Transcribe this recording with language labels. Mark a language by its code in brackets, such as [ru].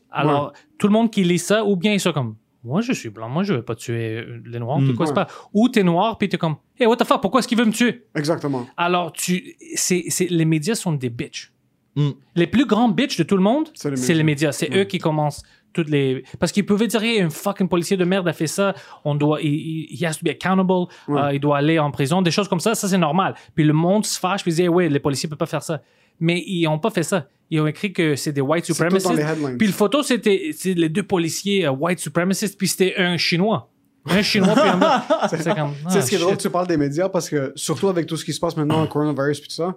[fr] Alors, ouais, tout le monde qui lit ça, ou bien ils sont comme... Moi, je suis blanc. Moi, je ne veux pas tuer les noirs. Pourquoi c'est pas? Ou tu es noir, puis tu es comme, [en] hey, what the fuck, [fr] pourquoi est-ce qu'il veut me tuer? Exactement. Alors, les médias sont des bitches. Mm. Les plus grands bitches de tout le monde, c'est les médias. C'est eux qui commencent toutes les. Parce qu'ils pouvaient dire, hey, un fucking policier de merde a fait ça. On doit, [en] he has to be accountable. [fr] Ouais. Il doit aller en prison. Des choses comme ça, ça, c'est normal. Puis le monde se fâche, puis il dit, ouais, les policiers ne peuvent pas faire ça. Mais ils n'ont pas fait ça. Ils ont écrit que c'est des white supremacists. C'est tout dans les headlines. Puis le photo, c'était les deux policiers white supremacists, puis c'était un Chinois. Un Chinois, puis un autre. C'est ce qui est drôle, tu parles des médias, parce que surtout avec tout ce qui se passe maintenant, le coronavirus, puis tout ça,